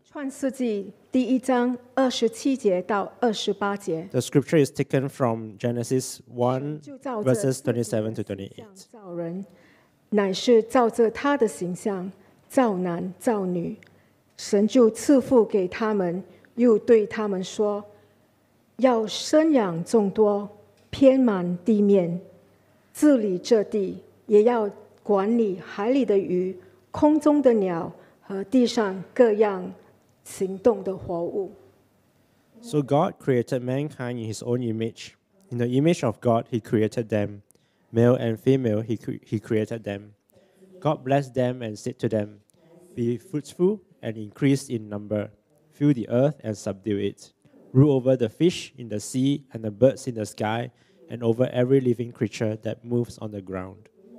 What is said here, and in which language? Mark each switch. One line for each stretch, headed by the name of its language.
Chinese: 创世纪第一章二十七节到二十八节。
English: The scripture is taken from Genesis 1 verses 27 to 28.
Chinese: 造人，乃是照着他的形象造男造女，神就赐福给他们，又对他们说，要生养众多，遍满地面，治理这地，也要管理海里的鱼、空中的鸟和地上各样行动的活物。
English: So God created mankind in His own image. In the image of God, He created them. Male and female, He created them. God blessed them and said to them, Be fruitful and increase in number. Fill the earth and subdue it. Rule over the fish in the sea and the birds in the sky and over every living creature that moves on the ground.